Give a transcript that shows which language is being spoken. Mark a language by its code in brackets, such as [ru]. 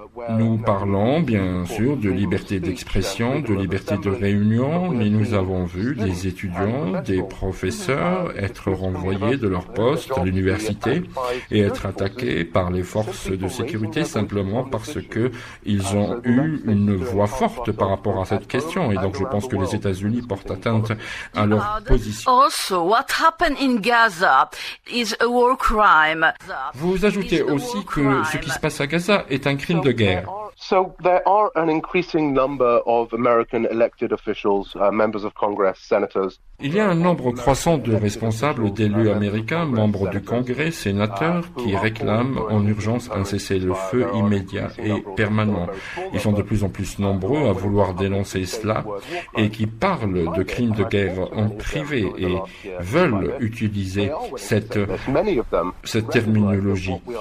[fr] Nous parlons bien sûr de liberté d'expression, de liberté de réunion, mais nous avons vu des étudiants, des professeurs être renvoyés de leur poste à l'université et être attaqués par les forces de sécurité simplement parce qu'ils ont eu une voix forte par rapport à cette question. Et donc je pense que les États-Unis portent atteinte à leur position. [en] Also, what happened in Gaza is a war crime. [fr] Vous ajoutez aussi que ce qui se passe à Gaza est un crime de guerre. [en] So there are an increasing number of American elected officials, members of Congress, senators. [fr] Il y a un nombre croissant de responsables d'élus américains, membres du Congrès, sénateurs, qui réclament en urgence un cessez-le-feu immédiat et permanent. Ils sont de plus en plus nombreux à vouloir dénoncer cela et qui parlent de crimes de guerre en privé et veulent utiliser cette terminologie.